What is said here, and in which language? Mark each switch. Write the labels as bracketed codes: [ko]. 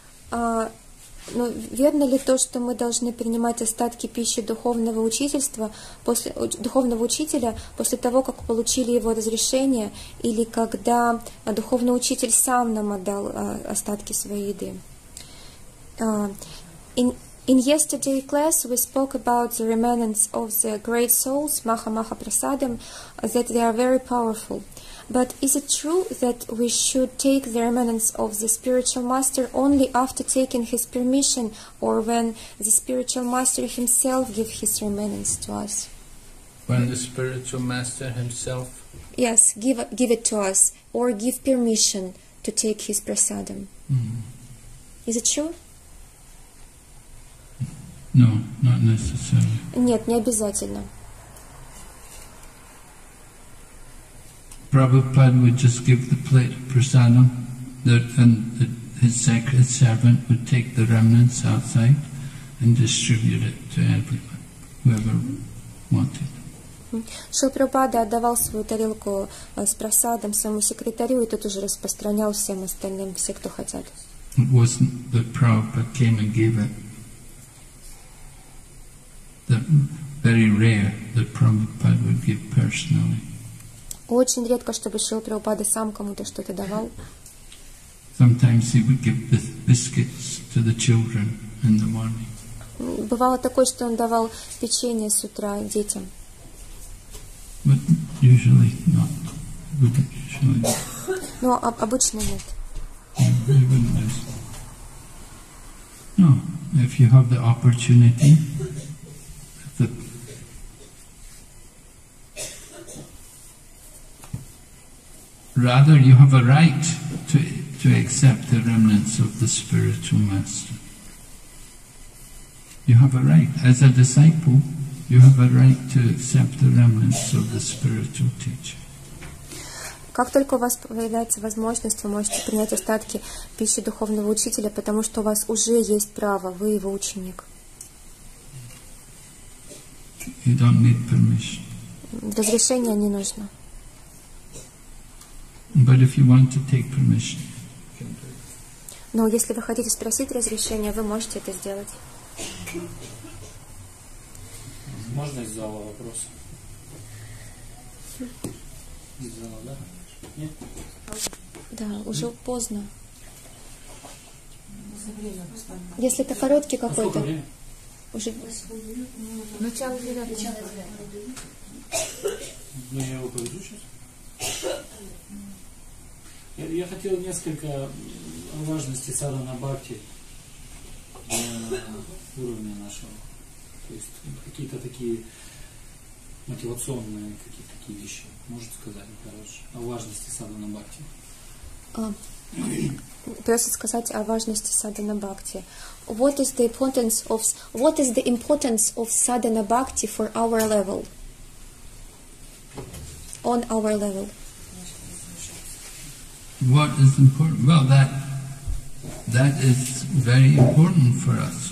[ru] Но верно ли то, что мы должны принимать остатки пищи духовного учительства после духовного учителя после того, как получили его разрешение, или когда духовный учитель сам нам отдал остатки своей еды? [en] In yesterday's class, we spoke about the remnants of the great souls, Maha-Maha Prasadam, that they are very powerful. But is it true that we should take the remnants of the spiritual master only after taking his permission, or when the spiritual master himself gives his remnants to us? When the spiritual master himself? Yes, give it to us, or give permission to take his prasadam. Mm-hmm. Is it true? No, not necessarily. [ru] Нет, не обязательно. [en] Prabhupada would just give the plate of prasadam, and his sacred servant would take the remnants outside and distribute it to everyone, whoever wanted. [ru] Шрила Прабхупада отдавал свою тарелку с прасадом своему секретарю, и тот уже распространял всем остальным, все, кто хотят. [en] It wasn't that Prabhupada came and gave it. That very rare that Prabhupada would give personally. [ru] Очень редко, чтобы Шрила Прабхупада сам кому-то что-то давал. [en] Sometimes he would give the biscuits to the children in the morning. [ru] Бывало такое, что он давал печенье с утра детям. [en] But usually not. Usually. [ru] Но обычно нет. [en] He wouldn't do so. No, if you have the opportunity. Rather, you have a right to accept the remnants of the spiritual master. You have a right. As a disciple, you have a right to accept the remnants of the spiritual teacher. [ru] Как только у вас появляется возможность, вы можете принять остатки пищи духовного учителя, потому что у вас уже есть право, вы его ученик. [en] You don't need permission. [ru] Разрешение не нужно. [en] But if you want to take permission, you can do it. [ru] Но если вы хотите спросить разрешение, вы можете это сделать. Можно из зала вопрос? Из зала, да? Нет? Да, уже поздно. За время поставлю. Если это короткий какой-то. Уже начало девятого. Ну я его поведу сейчас. Я хотел несколько о важности садхана бхакти на уровне нашего. То есть какие-то такие мотивационные какие-то такие вещи. Можете сказать, короче, о важности садхана бхакти? Просто сказать о важности садхана бхакти. [en] What is the importance of sadhana bhakti for our level? On our level. What is important? Well, that is very important for us.